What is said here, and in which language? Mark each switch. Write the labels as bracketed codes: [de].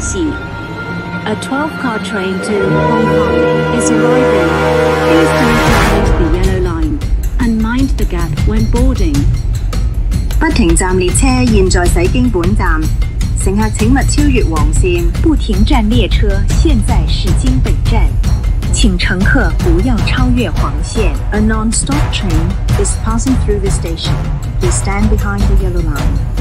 [en] A 12-car train to Hong Kong is arriving. Please stand behind the yellow line and mind the gap when boarding. [zh] 不停站列车现在驶经本站，乘客请勿超越黄线。不停站列车现在驶经本站，请乘客不要超越黄线。 [en] A non-stop train is passing through the station. Please stand behind the yellow line.